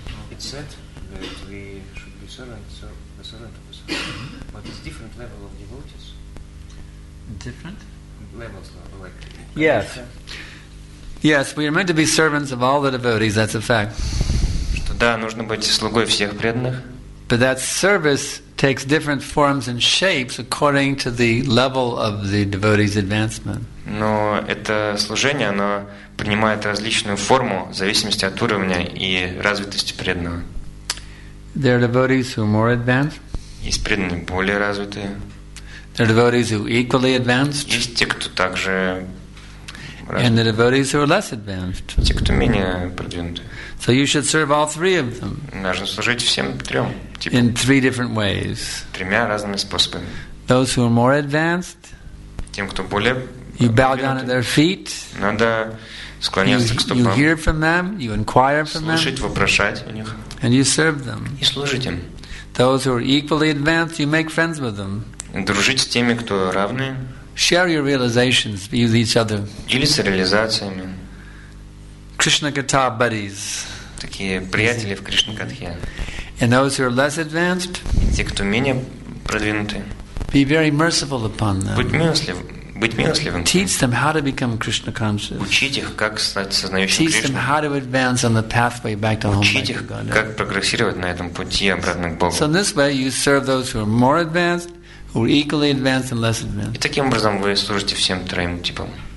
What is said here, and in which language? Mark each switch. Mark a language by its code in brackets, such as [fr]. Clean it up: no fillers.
[en] It's said that we should be servant of a servant, but it's different level of devotees. Different? Levels, like... Yes. Yes, we are meant to be servants of all the devotees, that's a fact. [ru] Да, нужно быть слугой всех преданных. [en] But that service takes different forms and shapes according to the level of the devotee's advancement. [ru] Но это служение, оно принимает различную форму в зависимости от уровня и развитости преданного. [en] There are devotees who are more advanced. [ru] Есть преданные более развитые. [en] There are devotees who are equally advanced. [ru] Есть те, кто также [en] And the devotees who are less advanced. [ru] Те, кто менее продвинутые. [en] So you should serve all three of them. [ru] Нужно служить всем трем. [en] In three different ways. [ru] Тремя разными способами. [en] Those who are more advanced. [ru] Тем, кто более. [en] You bow down at their feet. [ru] Надо склоняться к стопам. [en] You hear from them. You inquire from them. [ru] Слушать, вопрошать у них. [en] And you serve them. [ru] И служить им. [en] Those who are equally advanced, you make friends with them. [ru] Дружить с теми, кто равны. [en] Share your realizations with each other. [ru] Делиться реализациями. [en] Krishna Katha buddies. [ru] Такие приятели в Кришна Катхе. [en] And those who are less advanced. [ru] Те, кто менее продвинуты. [en] Be very merciful upon them. [ru] Быть милостливым. [en] Teach them how to become Krishna conscious. [ru] Учить их, как стать сознающим Кришной. [en] Teach them how to advance on the pathway back to home. [ru] Учить их, как прогрессировать на этом пути обратно к Богу. [en] So in this way you serve those who are more advanced. Or equally advanced and less advanced. [ru] И таким образом вы служите всем троим типам.